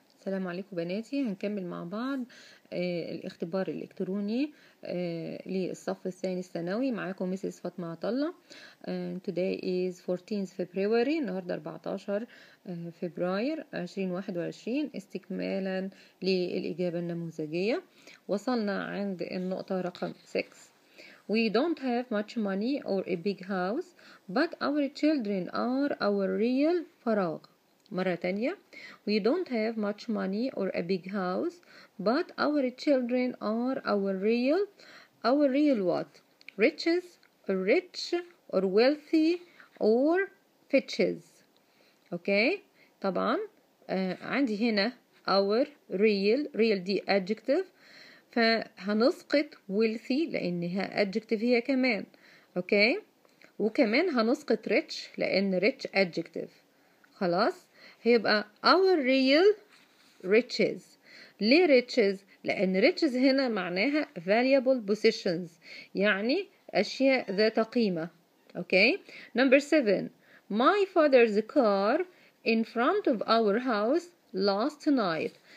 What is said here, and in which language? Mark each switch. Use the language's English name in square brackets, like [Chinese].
[Arabic] السلام عليكم بناتي، هنكمل مع بعض الاختبار الإلكتروني للصف الثاني الثانوي. معاكم ميسيس فاطمة عطلة. [English] Today is 14th February، [Arabic] النهاردة 14 فبراير 2021، استكمالا للإجابة النموذجية. وصلنا عند النقطة رقم 6. [English] We don't have much money or a big house, but our children are our real [Arabic] فراغ. مرة تانية. [English] We don't have much money or a big house, but our children are our real what? Riches, rich or wealthy or fetches. Okay. [Arabic] طبعا عندي هنا [English] our real [Arabic] دي adjective، فهنسقط wealthy لانها adjective هي كمان. Okay. وكمان هنسقط rich لان rich adjective. خلاص. هيبقى [English] our real riches. [Arabic] ليه riches؟ لأن riches هنا معناها [English] valuable possessions، [Arabic] يعني أشياء ذات قيمة. [English] okay. number 7. My father's car in front of our house last night.